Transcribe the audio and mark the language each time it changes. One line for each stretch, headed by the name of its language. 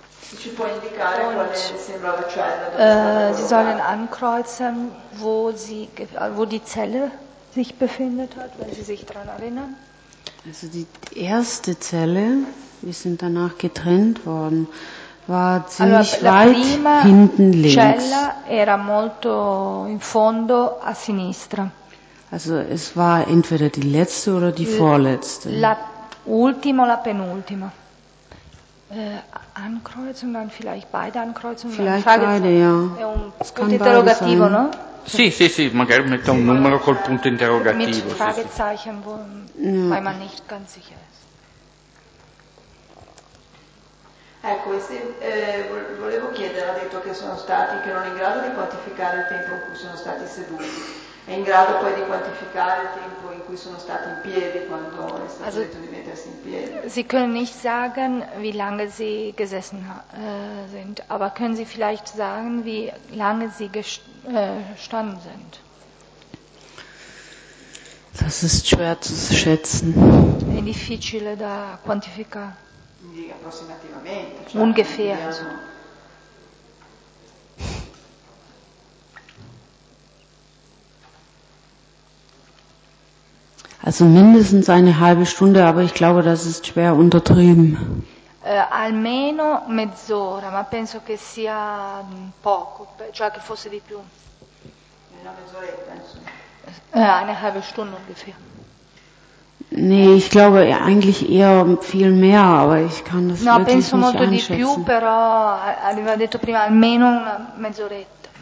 German: Und, sie sollen ankreuzen, wo, sie, wo die Zelle sich befindet hat, wenn Sie sich daran erinnern. Also die erste Zelle, wir sind danach getrennt worden, war ziemlich weit hinten links.
Italian: La prima cella era molto in fondo a sinistra.
German: Also es war entweder die letzte oder die vorletzte.
Italian: La ultima, la penultima.
German: Ankreuzung, dann vielleicht beide Ankreuzungen. Vielleicht beide, ja. Es kann beide sein. No?
Italian: Sì, sì, sì, magari metto un numero col punto interrogativo.
German: Mit Fragezeichen, sì, sì. Wo, weil man nicht ganz sicher ist.
Italian: Ecco, se, volevo chiedere, ha detto che sono stati, che non è in grado di quantificare il tempo in cui sono stati seduti. È in grado poi di quantificare il tempo in cui sono stati in piedi, quando è stato
German: also,
Italian: detto di mettersi in piedi.
German: Sie können nicht sagen, wie lange sie gesessen sind, aber können sie vielleicht sagen, wie lange sie gestanden sind. Das ist schwer zu schätzen.
Italian: È difficile da quantificare. Approssimativamente,
German: cioè ungefähr. Also mindestens eine halbe Stunde, aber ich glaube, das ist schwer untertrieben.
Italian: Almeno mezz'ora, ma penso che sia poco, cioè che fosse di più. Una mezz'oretta,
German: eine halbe Stunde ungefähr. Nee, ich glaube eigentlich eher viel mehr, aber ich kann das
Italian: no,
German: wirklich nicht
Italian: molto
German: einschätzen.
Italian: Di più, però, aveva detto prima, almeno una mezz'oretta.